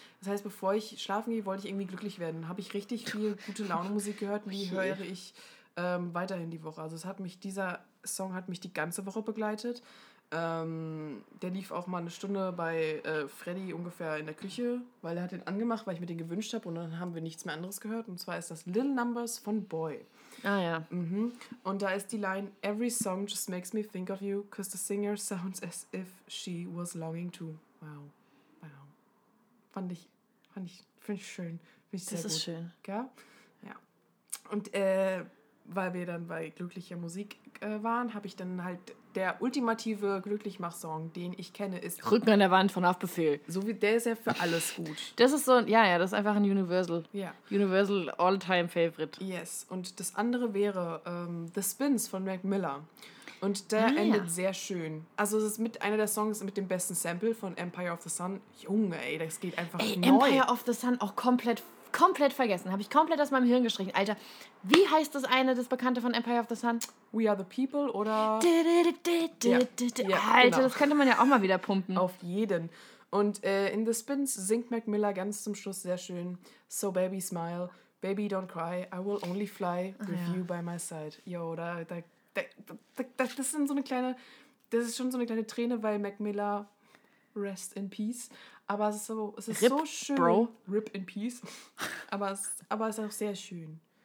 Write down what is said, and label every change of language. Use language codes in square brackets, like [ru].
[de] Das heißt, bevor ich schlafen gehe, wollte ich irgendwie glücklich werden. Habe ich richtig viel gute Laune-Musik gehört, wie höre ich weiterhin die Woche. Also dieser Song hat mich die ganze Woche begleitet. Der lief auch mal eine Stunde bei Freddy ungefähr in der Küche, weil er hat den angemacht, weil ich mir den gewünscht habe und dann haben wir nichts mehr anderes gehört. Und zwar ist das Little Numbers von Boy. Ah ja. Mhm. Und da ist die Line, [en] every song just makes me think of you, cause the singer sounds as if she was longing to. [de] Wow. Wow. Finde ich schön. Finde ich sehr gut. Das ist schön. Ja. Und weil wir dann bei glücklicher Musik waren, habe ich dann halt der ultimative Glücklichmach-Song, den ich kenne, ist Rücken an der Wand von Auf Befehl. So wie, der ist ja für alles gut. Das ist so, ja, das ist einfach ein Universal. Ja. Universal All-Time-Favorite. [en] Yes. [de] Und das andere wäre The Spins von Mac Miller. Und der endet sehr schön. Also es ist mit einer der Songs mit dem besten Sample von Empire of the Sun. Junge, ey, das geht einfach neu. Empire of the Sun auch komplett vergessen. Habe ich komplett aus meinem Hirn gestrichen. Alter, wie heißt das eine, das Bekannte von Empire of the Sun? [en] We are the people [de] oder... Alter, genau. Das könnte man ja auch mal wieder pumpen. Auf jeden. Und in The Spins singt Mac Miller ganz zum Schluss sehr schön. [en] So baby smile, baby don't cry, I will only fly with you by my side. [de] Yo, das sind so eine kleine... Das ist schon so eine kleine Träne, weil Mac Miller rest in peace... Aber es ist Rip, so schön. Bro. [en] Rip in peace. [de] Aber es ist auch sehr schön.